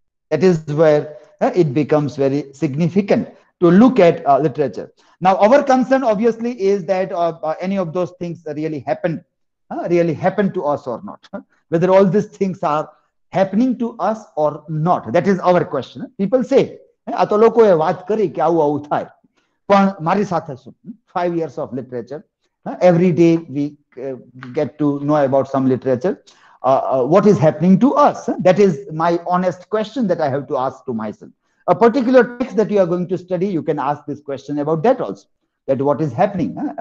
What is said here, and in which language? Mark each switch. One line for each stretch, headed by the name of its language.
English: That is where it becomes very significant to look at literature. Now, our concern obviously is that any of those things really happened to us or not. Whether all these things are happening to us or not. That is our question. People say,
Gujarati: આ તો લોકોએ વાત કરી કે આવું આવું થાય, પણ મારી સાથે શું?
English: 5 years of literature, every day we get to know about some literature. What is happening to us? That is my honest question that I have to ask to myself. A particular text that you are going to study, you can ask this question about that also. That what is happening?